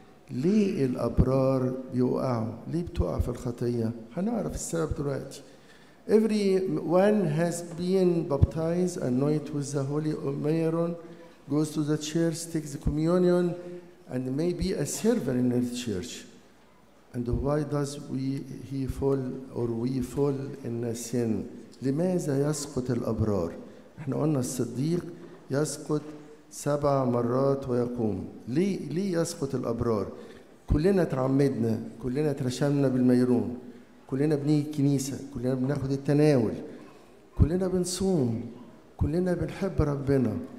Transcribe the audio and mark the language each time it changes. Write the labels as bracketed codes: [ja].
[ar] ليه الأبرار بيقعوا؟ ليه بتقع في الخطية؟ هنعرف السبب دلوقتي. [en] Every one has been baptized, anointed with the Holy Aaron, goes to the church, takes the communion, and may be a servant in the church. And why does we fall in a sin? [ar] لماذا يسقط الأبرار؟ احنا قلنا الصديق يسقط 7 مرات ويقوم. ليه يسقط الأبرار؟ كلنا ترعمدنا، كلنا ترشمنا بالميرون، كلنا بنيجي الكنيسة، كلنا بناخد التناول، كلنا بنصوم، كلنا بنحب ربنا.